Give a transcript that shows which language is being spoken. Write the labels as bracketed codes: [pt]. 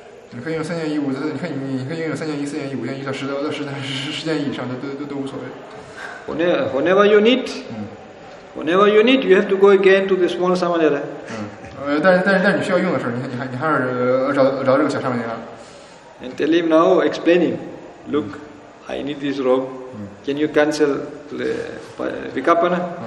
[zh] 你可以用三件衣，五件，你可以拥有三件衣、四件衣、五件衣到十件以上的都无所谓。 [en] Whenever you need, whenever you need, you have to go again to the small samanera. [zh] 但是你需要用的时候，你还是找这个小上面的。 [en] And tell him now, explain him, look, I need this rope, can you cancel the vikapana?